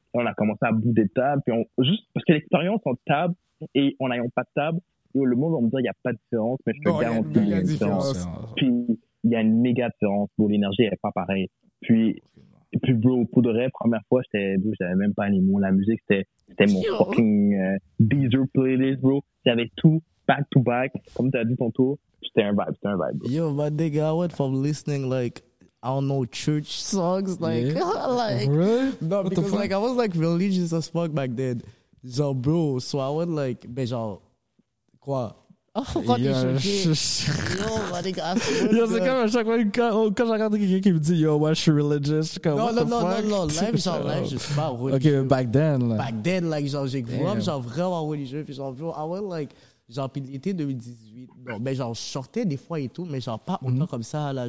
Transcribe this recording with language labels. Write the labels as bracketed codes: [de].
[fr] On a commencé à bout des tables, puis juste parce que l'expérience en table, et en n'ayant pas de table, le monde va me dire qu'il n'y a pas de différence, mais je te garantis qu'il y a une différence. Puis, il y a une méga différence. Bon, l'énergie n'est pas pareille. Puis, bro, pour de vrai, première fois, j'avais même pas les mots. La musique, c'était mon fucking Deezer playlist, bro. J'avais tout back-to-back, comme tu as dit tantôt. C'était un vibe, bro. [en] Yo, my nigga, I went from listening, like, I don't know, church songs, like, really? No, because, like, I was, like, religious as fuck back then. So, bro, so I went, like, [fr] mais genre, quoi? [en] Oh, [fr] yeah, je... Yo, c'est comme à chaque fois, quand j'entends quelqu'un qui me dit, yo, moi, je suis religious. Non, live, je suis pas religieux. [en] Ok, back then, là. Back then, like, [fr] genre, j'ai [en] grown up, [fr] genre, vraiment religieux. Puis, genre, bro, [en] I went, like, [fr] genre, puis l'été 2018, non, mais genre, je sortais des fois et tout, mais genre, pas autant comme ça, là.